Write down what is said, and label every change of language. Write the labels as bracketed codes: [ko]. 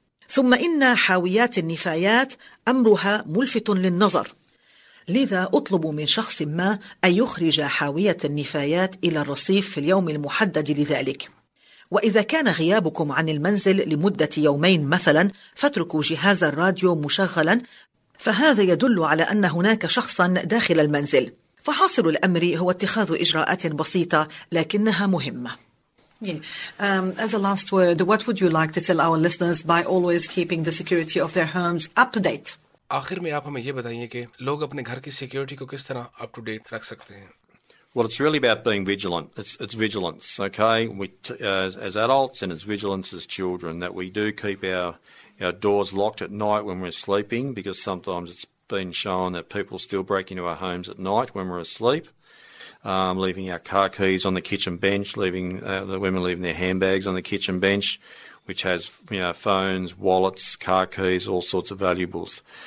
[ar] ثم إن حاويات النفايات أمرها ملفت للنظر، لذا اطلبوا من شخص ما أن يخرج حاوية النفايات إلى الرصيف في اليوم المحدد لذلك. وإذا كان غيابكم عن المنزل لمدة يومين مثلا، فاتركوا جهاز الراديو مشغلا، فهذا يدل على أن هناك شخصا داخل المنزل. فحاصل الأمر هو اتخاذ إجراءات بسيطة لكنها مهمة. [en] As a last word, what would you like to tell our listeners by always keeping the security of their homes up to date? [ur] آخر میں آپ ہمیں یہ بتائیے کہ لوگ اپنے گھر کی سیکیورٹی کو کس طرح اپ ٹو ڈیٹ رکھ سکتے ہیں. [en] Well, it's really about being vigilant. It's vigilance, okay? As adults and as vigilance as children, that we do keep our doors locked at night when we're sleeping, because sometimes it's been shown that people still break into our homes at night when we're asleep, leaving our car keys on the kitchen bench, leaving their handbags on the kitchen bench, which has, you know, phones, wallets, car keys, all sorts of valuables.